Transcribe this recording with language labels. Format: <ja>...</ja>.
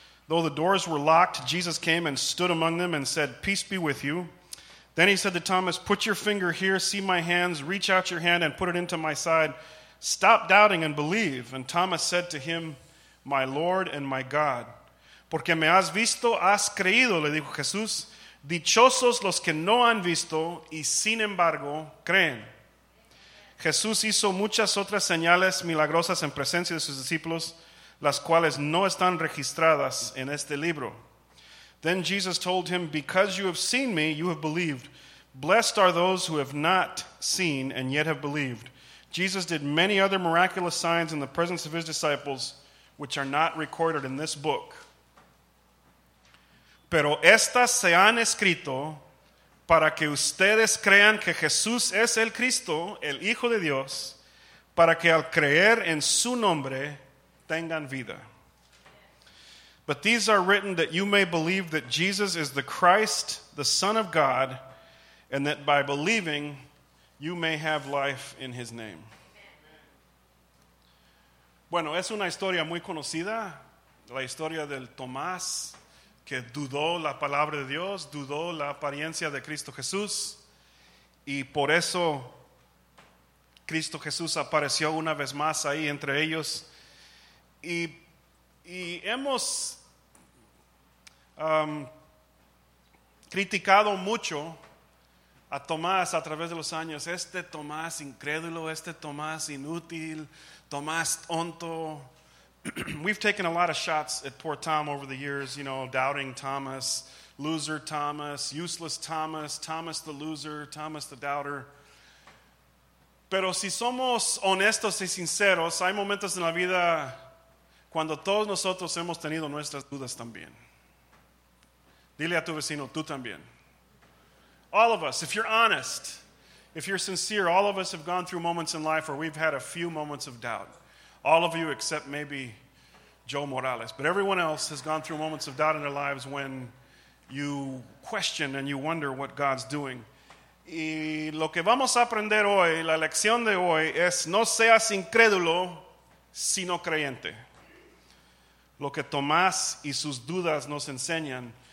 <en>Though the doors were locked, Jesus came and stood among them and said, peace be with you. Then he said to Thomas, put your finger here, see my hands, reach out your hand and put it into my side. Stop doubting and believe. And Thomas said to him, my Lord and my God.</en> <es>Porque me has visto, has creído, le dijo Jesús. Dichosos los que no han visto y sin embargo creen. Jesús hizo muchas otras señales milagrosas en presencia de sus discípulos, las cuales no están registradas en este libro.</es> <en>Then Jesus told him, because you have seen me, you have believed. Blessed are those who have not seen and yet have believed. Jesus did many other miraculous signs in the presence of his disciples, which are not recorded in this book.</en> <es>Pero estas se han escrito para que ustedes crean que Jesús es el Cristo, el Hijo de Dios, para que al creer en su nombre tengan vida.</es> <en>But these are written that you may believe that Jesus is the Christ, the Son of God, and that by believing you may have life in his name.</en> <es>Bueno, es una historia muy conocida, la historia del Tomás, que dudó la palabra de Dios, dudó la apariencia de Cristo Jesús, y por eso Cristo Jesús apareció una vez más ahí entre ellos. Y hemos criticado mucho a Tomás a través de los años. Este Tomás incrédulo, este Tomás inútil, Tomás tonto.</es> <en>We've taken a lot of shots at poor Tom over the years, you know, doubting Thomas, loser Thomas, useless Thomas, Thomas the loser, Thomas the doubter.</en> <es>Pero si somos honestos y sinceros, hay momentos en la vida cuando todos nosotros hemos tenido nuestras dudas también. Dile a tu vecino, tú también.</es> <en>All of us, if you're honest, If you're sincere, all of us have gone through moments in life where we've had a few moments of doubt. All of you except maybe Joe Morales. But everyone else has gone through moments of doubt in their lives when you question and you wonder what God's doing.</en> <es>Y lo que vamos a aprender hoy, la lección de hoy, es no seas incrédulo, sino creyente. Lo que Tomás y sus dudas nos enseñan.</es>